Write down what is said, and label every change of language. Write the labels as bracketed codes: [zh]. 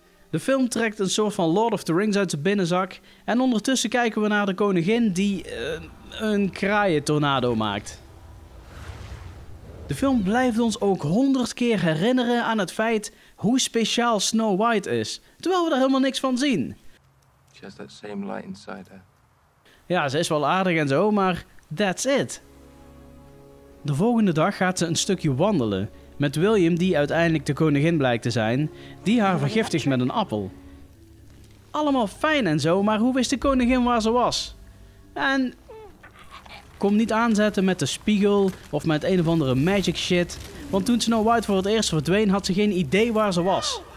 [nl] De film trekt een soort van Lord of the Rings uit zijn binnenzak en ondertussen kijken we naar de koningin die een kraaientornado maakt. De film blijft ons ook 100 keer herinneren aan het feit hoe speciaal Snow White is, terwijl we daar helemaal niks van zien. [en] She has that same light inside her. [nl] Ja, ze is wel aardig en zo, maar [en] that's it. [nl] De volgende dag gaat ze een stukje wandelen. Met William, die uiteindelijk de koningin blijkt te zijn, die haar vergiftigt met een appel. Allemaal fijn en zo, maar hoe wist de koningin waar ze was? En kom niet aanzetten met de spiegel of met een of andere magic shit, want toen Snow White voor het eerst verdween, had ze geen idee waar ze was.